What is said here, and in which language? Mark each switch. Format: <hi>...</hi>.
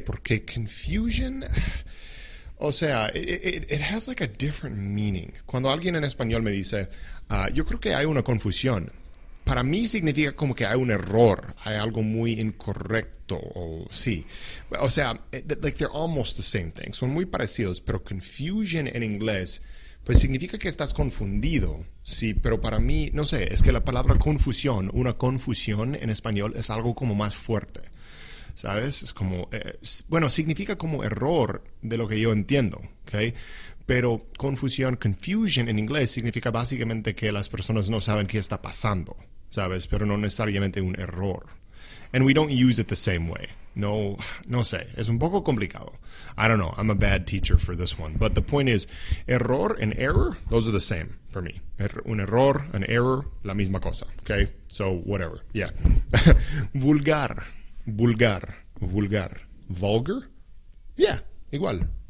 <es>Porque confusion, o sea,</es> <en>it has like a different meaning,</en> <es>cuando alguien en español me dice, yo creo que hay una confusión, Para mí significa como que hay un error, hay algo muy incorrecto, o sí. O sea,</es> <en>like they're almost the same thing.</en> <es>Son muy parecidos, pero confusion en inglés, pues significa que estás confundido, sí. Pero para mí, no sé, es que la palabra confusión, una confusión en español, es algo como más fuerte, ¿sabes? Es como, bueno, significa como error de lo que yo entiendo, ¿ok? Pero confusión, confusion en inglés significa básicamente que las personas no saben qué está pasando, ¿sabes? Pero no necesariamente un error.</es> <en>And we don't use it the same way.</en> <es>No, no sé. Es un poco complicado.</es> <en>I don't know. I'm a bad teacher for this one. But the point is, error and error, those are the same for me.</en> <es>Un error,</es> <en>an error,</en> <es>la misma cosa.</es> <en>Okay? So, whatever. Yeah.</en> <es>Vulgar. Vulgar. Vulgar. Vulgar? Yeah. Igual.</es>